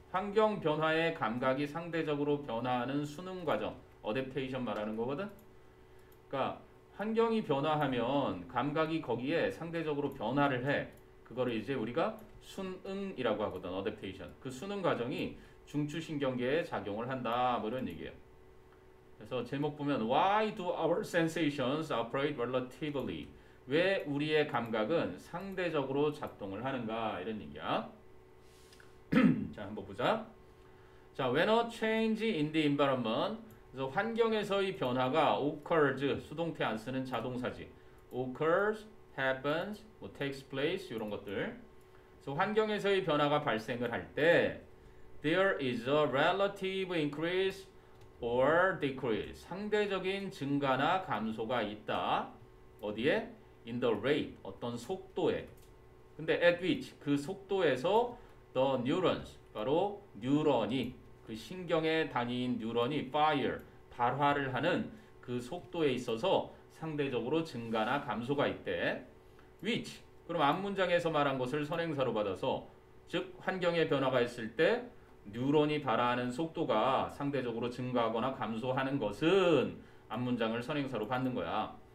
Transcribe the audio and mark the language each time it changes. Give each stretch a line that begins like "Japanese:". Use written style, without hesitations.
Korean: 환경 변화의 감각이 상대적으로 변화하는 순응 과정. 어댑테이션 말하는 거거든. 그러니까 환경이 변화하면 감각이 거기에 상대적으로 변화를 해. 그거를 이제 우리가 순응이라고 하거든. 어댑테이션. 그 순응 과정이 중추신경계에 작용을 한다. 뭐 이런 얘기예요. 그래서 제목 보면
English: Why do our sensations operate relatively?
Korean: 왜 우리의 감각은 상대적으로 작동을 하는가? 이런 얘기야. 자, 한번 보자. 자,
English: when a change in the environment,
Korean: 그래서 환경에서의 변화가
English: occurs,
Korean: 수동태 안 쓰는 자동사지.
English: occurs, happens, 뭐 takes place,
Korean: 이런 것들. 그래서 환경에서의 변화가 발생을 할 때,
English: there is a relative increase or decrease.
Korean: 상대적인 증가나 감소가 있다. 어디에?
English: In the rate,
Korean: 어떤 속도에. 근데
English: at which,
Korean: 그 속도에서
English: the neurons,
Korean: 바로 뉴런이, 그 신경의 단위인 뉴런이
English: fire,
Korean: 발화를 하는 그 속도에 있어서 상대적으로 증가나 감소가 있대. which, 그럼 앞 문장에서 말한 것을 선행사로 받아서, 즉 환경의 변화가 있을 때 뉴런이 발화하는 속도가 상대적으로 증가하거나 감소하는 것은 앞 문장을 선행사로 받는 거야.